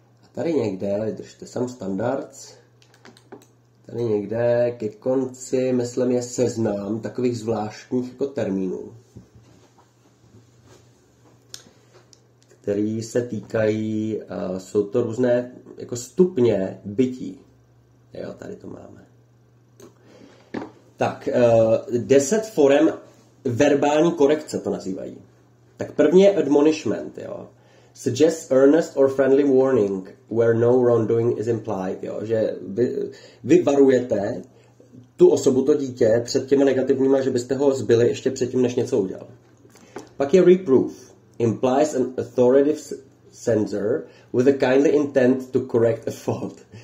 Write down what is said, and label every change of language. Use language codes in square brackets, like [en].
[cs] A tady někde, držte [en] sam standards, [cs] tady někde ke konci, myslím, je seznam takových zvláštních jako termínů, který se týkají, jsou to různé jako stupně bytí. Jo, tady to máme. Tak, 10 forem verbální korekce to nazývají. Tak první je admonishment, jo. [en] Suggest earnest or friendly warning where no wrongdoing is implied, [cs] jo. Že vy varujete tu osobu, to dítě, před těmi negativními, že byste ho zbyli ještě předtím, než něco udělal. Pak je reproof. [en] Implies an authoritative censor with a kindly intent to correct a fault.